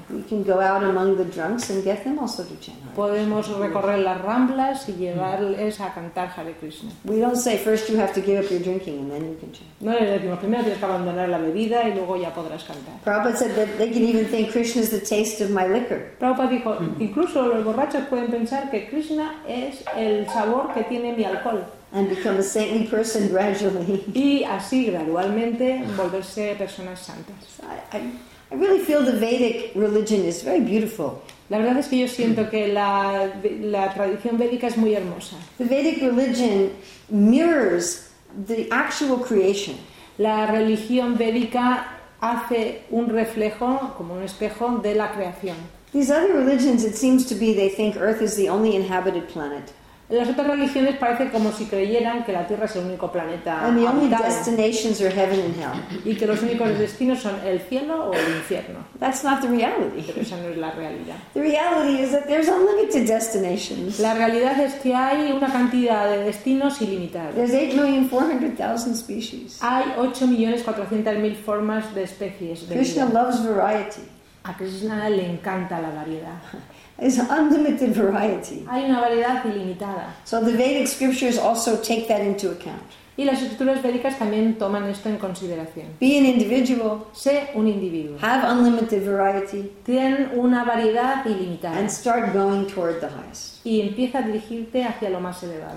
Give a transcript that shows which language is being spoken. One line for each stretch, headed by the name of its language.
English: We can go out among the drunks and get them also to chant.
Spanish: Podemos recorrer las ramblas y llevarles a cantar Hare Krishna.
English: We don't say first you have to give up your drinking and then you can chant.
Spanish: No les decimos primero tienes que abandonar la bebida y luego ya podrás cantar.
English: Prabhupada said that they can even think Krishna is the taste of my liquor.
Spanish: Prabhupada dijo incluso los borrachos pueden pensar que Krishna es el sabor que tiene mi alcohol.
English: And become a saintly person gradually.
Spanish: Y así gradualmente volverse personas santas.
English: I really feel the Vedic religion is very beautiful.
Spanish: La verdad es que yo siento que la tradición védica es muy hermosa.
English: The Vedic religion mirrors the actual creation.
Spanish: La religión védica hace un reflejo, como un espejo, de la creación.
English: These other religions, it seems to be, they think Earth is the only inhabited planet.
Spanish: Las otras religiones parece como si creyeran que la Tierra es el único planeta habitable.
English: And the only destinations are heaven and hell.
Spanish: Y que los únicos destinos son el cielo o el infierno.
English: That's not the reality.
Spanish: Pero esa no es la realidad.
English: The reality is that there's unlimited destinations.
Spanish: La realidad es que hay una cantidad de destinos ilimitada.
English: There's 8,400,000 species.
Spanish: Hay 8,400,000 formas de especies.
English: Krishna loves variety.
Spanish: A Krishna le encanta la variedad.
English: Is unlimited variety.
Spanish: Hay una variedad ilimitada.
English: So the Vedic scriptures also take that into account.
Spanish: Y las escrituras védicas también toman esto en consideración.
English: Be an individual.
Spanish: Sé un individuo.
English: Have unlimited variety.
Spanish: Ten una variedad ilimitada.
English: And start going toward the highest.
Spanish: Y empieza a dirigirte hacia lo más elevado.